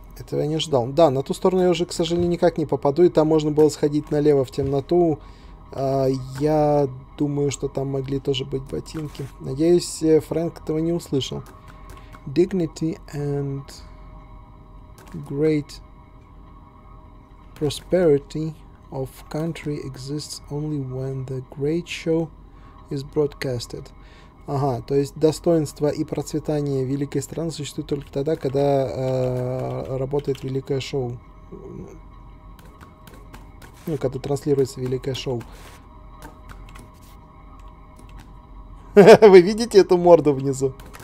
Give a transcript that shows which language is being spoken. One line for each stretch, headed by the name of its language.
Russian: Я не ждал. Да, на ту сторону я уже, к сожалению, никак не попаду, и там можно было сходить налево в темноту. Я думаю, что там могли тоже быть ботинки. Надеюсь, Фрэнк этого не услышал.
English: Dignity and great prosperity of country exists only when the great show is broadcasted.
Russian: Ага, то есть достоинство и процветание великой страны существует только тогда, когда работает великое шоу. Ну, когда транслируется великое шоу. Вы видите эту морду внизу?